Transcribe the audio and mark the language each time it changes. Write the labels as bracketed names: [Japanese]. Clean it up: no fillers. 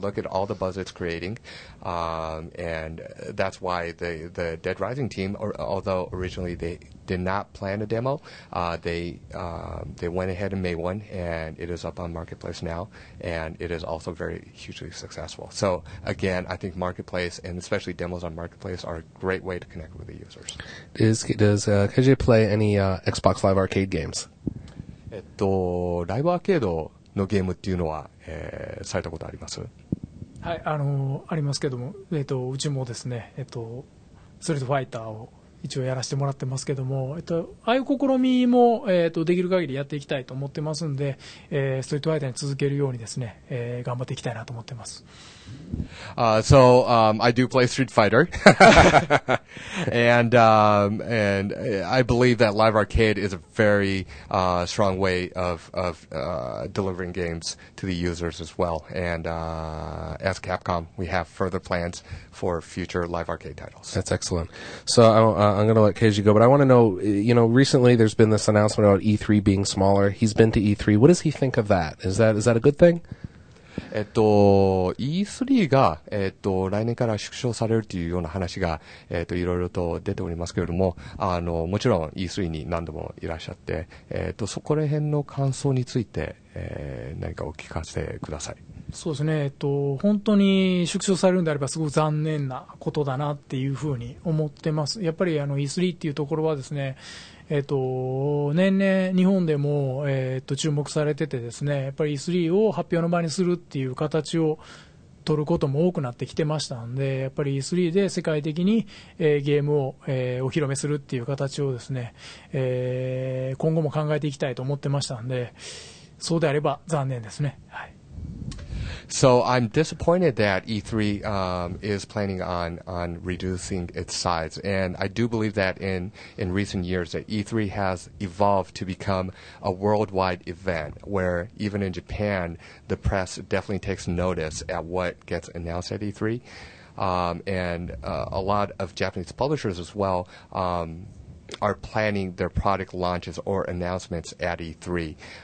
[English] Look at all the buzz it's creating. And that's why the Dead Rising team, although originally they did not plan a demo, they went ahead and made one, and it is up on Marketplace now, and it is also very hugely successful. So again, I think Marketplace, and especially demos on Marketplace, are a great way to connect with the users. Does KJ play any Xbox Live Arcade games? [Japanese] ライブアーケードのゲームっていうのは、されたことあります？はい、ありますけども、うちもですね、ストリートファイターを一応やらせてもらってますけども、ああいう試みも、できる限りやっていきたいと思ってますんで、ストリートファイターに続けるようにですね、頑張っていきたいなと思ってます。 [English] So, I do play Street Fighter. And, and I believe that Live Arcade is a very, strong way of, delivering games to the users as well. And, as Capcom, we have further plans for future Live Arcade titles. That's excellent. So, I'm gonna let Keiji go, but I wanna know, you know, recently there's been this announcement about E3 being smaller. He's been to E3. What does he think of that? Is that a good thing? [Japanese] E3 が、来年から縮小されるというような話が、いろいろと出ておりますけれども、もちろん E3 に何度もいらっしゃって、そこら辺の感想について、何かお聞かせください。そうですね、本当に縮小されるんであればすごく残念なことだなっていうふうに思ってます。やっぱりE3 っていうところはですね、年々日本でも、注目されててですね、やっぱり E3 を発表の場にするっていう形を取ることも多くなってきてましたんで、やっぱり E3 で世界的に、ゲームを、お披露目するっていう形をですね、今後も考えていきたいと思ってましたんで、そうであれば残念ですね。はい。 [English] So I'm disappointed that E3 is planning on reducing its size, and I do believe that in recent years that E3 has evolved to become a worldwide event where even in Japan the press definitely takes notice at what gets announced at E3, and a lot of Japanese publishers as well are planning their product launches or announcements at E3.